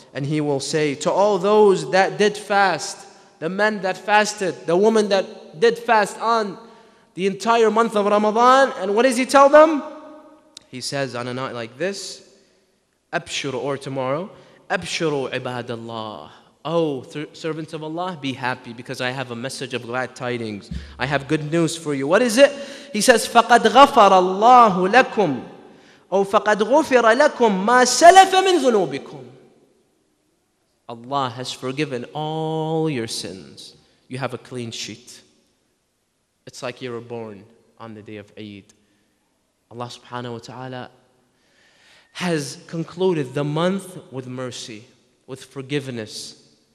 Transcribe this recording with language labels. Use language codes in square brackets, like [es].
[en] And he will say, to all those that did fast, the men that fasted, the woman that did fast on the entire month of Ramadan, and what does he tell them? He says, on a night like this, [ar] أبشروا, [en] or tomorrow, [ar] أبشروا عباد الله. [en] Servants of Allah, be happy because I have a message of glad tidings. I have good news for you. What is it? He says, [ar] فَقَدْ غَفَرَ اللَّهُ لَكُمْ أَوْ فَقَدْ غُفِرَ لَكُمْ مَا سَلَفَ مِنْ ذُنُوبِكُمْ. [en] Allah has forgiven all your sins. You have a clean sheet. It's like you were born on the day of Eid. Allah subhanahu wa ta'ala has concluded the month with mercy, with forgiveness.